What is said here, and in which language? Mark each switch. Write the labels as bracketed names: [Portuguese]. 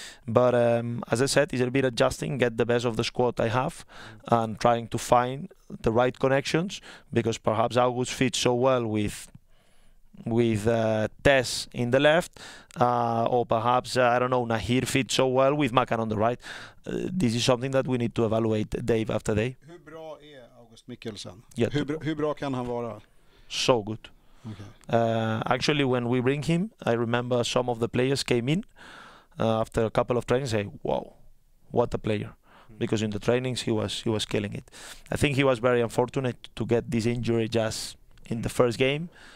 [English] But as I said, it's a bit adjusting, get the best of the squad I have and trying to find the right connections, because perhaps August fits so well with Tess in the left, or perhaps, I don't know, Nahir fits so well with Makan on the right. This is something that we need to evaluate day after day. [Swedish] Hur bra är August Mikkelsen? Yeah, hur bra kan han vara? [English] So good. Okay. Actually, when we bring him, I remember some of the players came in after a couple of trainings and say, wow, what a player. Because in the trainings he was killing it. I think he was very unfortunate to get this injury just in the first game.